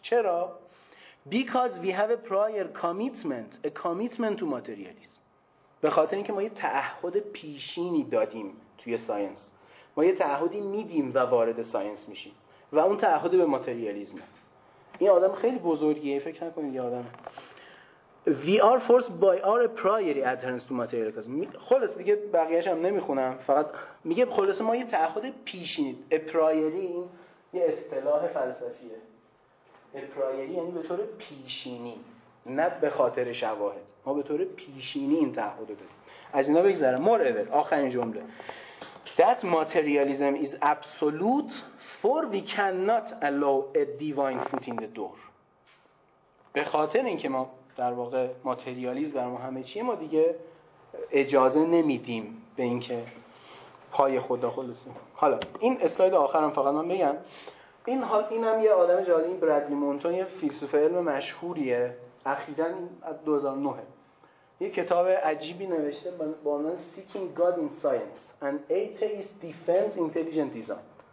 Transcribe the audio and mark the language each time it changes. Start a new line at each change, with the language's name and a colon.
Persian: چرا؟
English: Because we have a prior commitment, a commitment to materialism.
Persian: به خاطر اینکه ما یه تعهد پیشینی دادیم توی ساینس. ما یه تعهدی میدیم و وارد ساینس میشیم. و اون تعهد به ماتریالیزمه. این آدم خیلی بزرگیه، فکر نکنید یه آدمه.
English: We are forced by our prior adherence to materialism.
Persian: خلاص دیگه بقیهش هم نمیخونم، فقط میگه خلاص ما یه تعهد پیشینی، a priori، این یه اصطلاح فلسفیه. اپرایری یعنی به طور پیشینی، نه به خاطر شواهد. ما به طور پیشینی این تعهد رو دادیم. از اینا بگذرم. Moreover، آخرین جمله.
English: That materialism is absolute for we cannot allow a divine foot in the door.
Persian: به خاطر اینکه ما در واقع ماتریالیز برای ما همه چیه، ما دیگه اجازه نمیدیم به اینکه پای خدا خلصه. حالا این اسلاید آخرم فقط من بگم. این حال اینم یه آدم جالبی، برادلی مونتون، یه فیلسوف علم مشهوریه، اخیراً از 2009 یه کتاب عجیبی نوشته با عنوان
English: Seeking God in Science An Atheist Defense Intelligent Design.